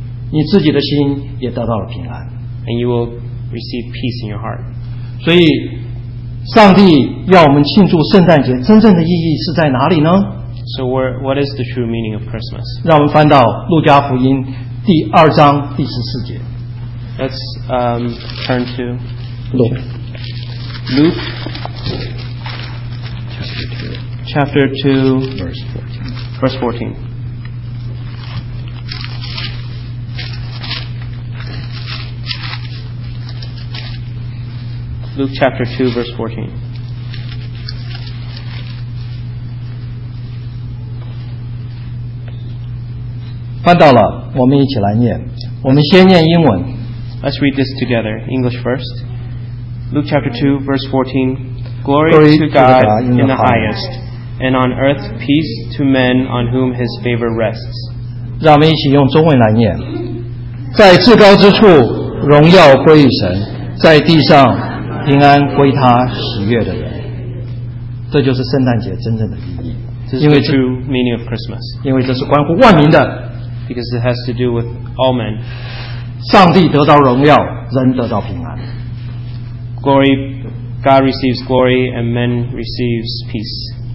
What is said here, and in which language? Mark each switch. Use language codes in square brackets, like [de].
[zh] 你自己的心也得到了平安。 [en] And you will receive peace in your heart. [zh] 所以上帝要我们庆祝圣诞节真正的意义是在哪里呢？ [en] So what is the true meaning of Christmas? [zh] 让我们翻到路加福音第二章第十四节。 [en] Let's turn to Luke chapter 2 verse 14. Luke chapter 2 verse 14. [zh] 翻到了，我们一起来念。我们先念英文。 [en] Let's read this together, English first. Luke chapter 2 verse 14. Glory to God in the highest, and on earth peace to men on whom his favor rests. [zh] 让我们一起用中文来念。在至高之处，荣耀归于神，在地上平安归他喜悦的人。这就是圣诞节真正的意义。 [en] This is the true meaning of Christmas. [zh] 因为这是关乎万民的。 [en] Because it has to do with all men. [zh] 上帝得到荣耀，人得到平安。 [en] Glory, God receives glory and men receives peace.